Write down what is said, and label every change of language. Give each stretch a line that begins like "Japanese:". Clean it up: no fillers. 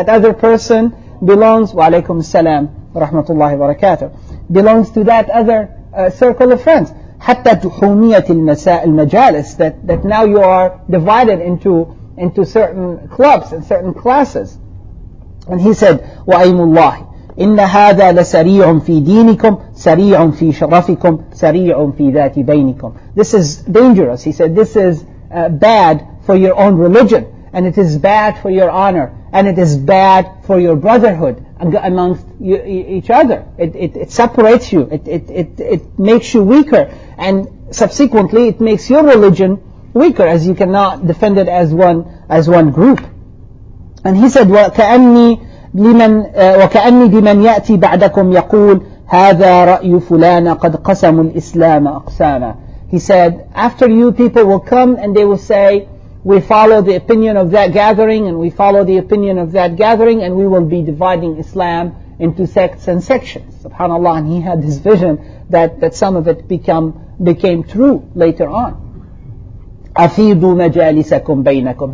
English: That other person belongs,
Arabic: وَعَلَيْكُمْ السَّلَامُ وَرَحْمَةُ اللَّهِ وَبَرَكَاتُهُ,
English: belongs to that other circle of friends.
Arabic: حتى تحومية المجالس,
English: that now you are divided into certain clubs and certain classes. And he said,
Arabic: وَأَيْمُ اللَّهِ إِنَّ هَذَا لَسَرِيعٌ فِي دِينِكُمْ سَرِيعٌ فِي شَرَفِكُمْ سَرِيعٌ فِي ذَاتِ بَيْنِكُمْ.
English: This is dangerous. He said, this is bad for your own religion, and it is bad for your honor, and it is bad for your brotherhood amongst each other. It separates you. It makes you weaker, and subsequently, it makes your religion weaker, as you cannot defend it as one group. And he said,
Arabic: وكأني بمن يأتي بعدكم يقول هذا رأي فلان قد قسم الإسلام أقساما.
English: He said, after you, people will come and they will say, we follow the opinion of that gathering, and we follow the opinion of that gathering, and we will be dividing Islam into sects and sections. SubhanAllah, and he had this vision that some of it become became true later on.
Arabic: أَفِيدُوا مَجَالِسَكُمْ بَيْنَكُمْ.